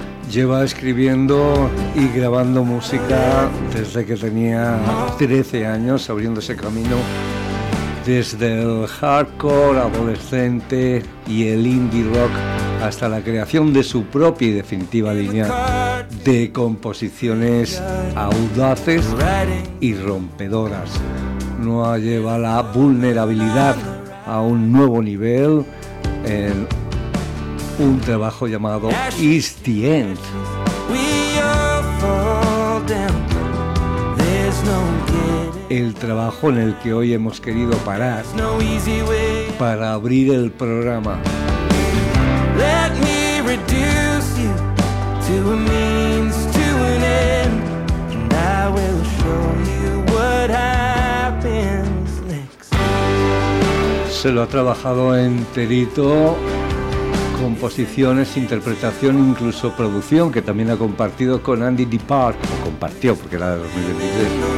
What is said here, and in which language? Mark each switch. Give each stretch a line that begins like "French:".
Spanish: Lleva escribiendo y grabando música desde que tenía 13 años, abriéndose camino desde el hardcore adolescente y el indie rock hasta la creación de su propia y definitiva línea de composiciones audaces y rompedoras. Noah lleva la vulnerabilidad a un nuevo nivel en un trabajo llamado Is The End.
English: We all fall down. There's no game.
Spanish: el trabajo en el que hoy hemos querido parar para abrir el programa.
English: Let me reduce you to a means to an end, and I will show you what happens next.
Spanish: Se lo ha trabajado enterito. Composiciones, interpretación, incluso producción, que también ha compartido con Andy Dipart, o compartió porque era de 2023.